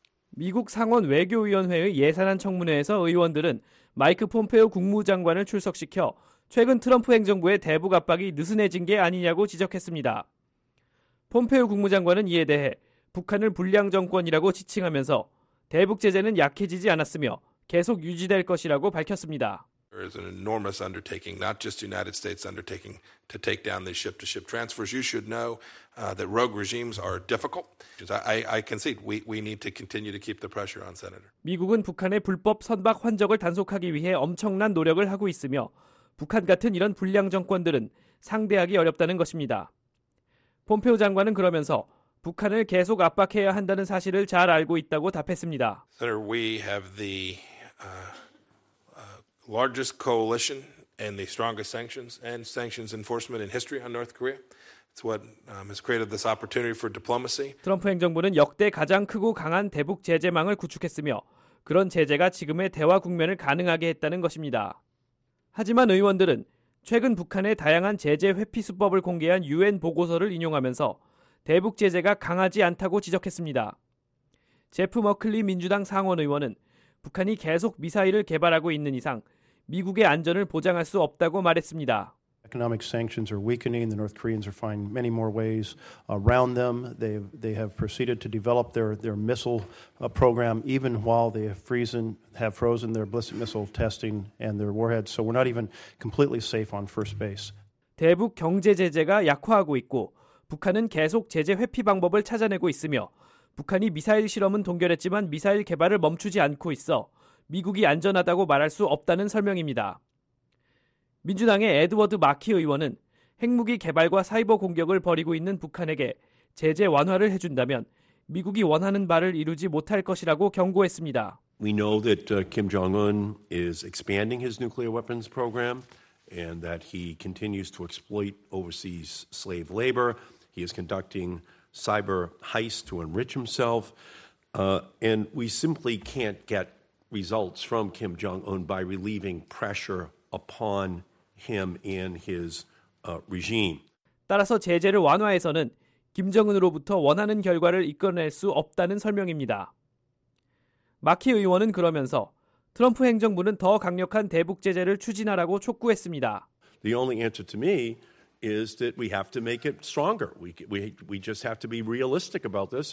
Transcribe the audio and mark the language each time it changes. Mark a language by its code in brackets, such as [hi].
[ko] 미국 상원 외교위원회의 예산안 청문회에서 의원들은 마이크 폼페오 국무장관을 출석시켜 최근 트럼프 행정부의 대북 압박이 느슨해진 게 아니냐고 지적했습니다. 폼페오 국무장관은 이에 대해 북한을 불량 정권이라고 지칭하면서 대북 제재는 약해지지 않았으며 계속 유지될 것이라고 밝혔습니다. [en] There is an enormous undertaking, not just the United States undertaking to take down the ship-to-ship transfers. You should know that rogue regimes are difficult. I concede we need to continue to keep the pressure on Senator. [ko] 미국은 북한의 불법 선박 환적을 단속하기 위해 엄청난 노력을 하고 있으며 북한 같은 이런 불량 정권들은 상대하기 어렵다는 것입니다. 폼페오 장관은 그러면서 북한을 계속 압박해야 한다는 사실을 잘 알고 있다고 답했습니다. [en] Senator, we have the largest coalition and the strongest sanctions and sanctions enforcement in history on North Korea. It's what has created this opportunity for diplomacy. [ko] 트럼프 행정부는 역대 가장 크고 강한 대북 제재망을 구축했으며 그런 제재가 지금의 대화 국면을 가능하게 했다는 것입니다. 하지만 의원들은 최근 북한의 다양한 제재 회피 수법을 공개한 UN 보고서를 인용하면서 대북 제재가 강하지 않다고 지적했습니다. 제프 머클리 민주당 상원 의원은 북한이 계속 미사일을 개발하고 있는 이상 미국의 안전을 보장할 수 없다고 말했습니다. [en] Economic sanctions are weakening. The North Koreans are finding many more ways around them. They have proceeded to develop their missile program even while they have frozen their ballistic missile testing and their warheads. So we're not even completely safe on first base. [ko] 대북 경제 제재가 약화하고 있고 북한은 계속 제재 회피 방법을 찾아내고 있으며 북한이 미사일 실험은 동결했지만 미사일 개발을 멈추지 않고 있어 미국이 안전하다고 말할 수 없다는 설명입니다. 민주당의 에드워드 마키 의원은 핵무기 개발과 사이버 공격을 벌이고 있는 북한에게 제재 완화를 해준다면 미국이 원하는 바를 이루지 못할 것이라고 경고했습니다. [en] We know that Kim Jong-un is expanding his nuclear weapons program and that he continues to exploit overseas slave labor. He is conducting cyber heist to enrich himself. And we simply can't get results from Kim Jong-un by relieving pressure upon him and his regime. [ko] 따라서 제재를 완화해서는 김정은으로부터 원하는 결과를 이끌어낼 수 없다는 설명입니다. 마키 의원은 그러면서 트럼프 행정부는 더 강력한 대북 제재를 추진하라고 촉구했습니다. [en] The only answer to me is that we have to make it stronger. We just have to be realistic about this.